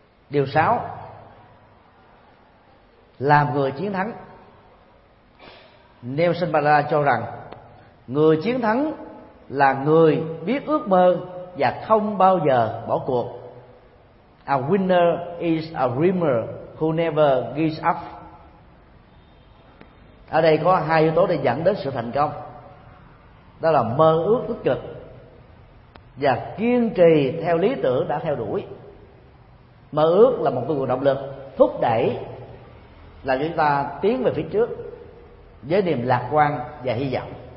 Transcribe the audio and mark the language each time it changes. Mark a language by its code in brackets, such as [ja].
[vi] Điều 6, làm người chiến thắng. Nelson Mandela cho rằng người chiến thắng là người biết ước mơ và không bao giờ bỏ cuộc. [en] A winner is a dreamer who never gives up. [vi] Ở đây có hai yếu tố để dẫn đến sự thành công, đó là mơ ước tích cực và kiên trì theo lý tưởng đã theo đuổi. Mơ ước là một cái nguồn động lực thúc đẩy là chúng ta tiến về phía trước với niềm lạc quan và hy vọng.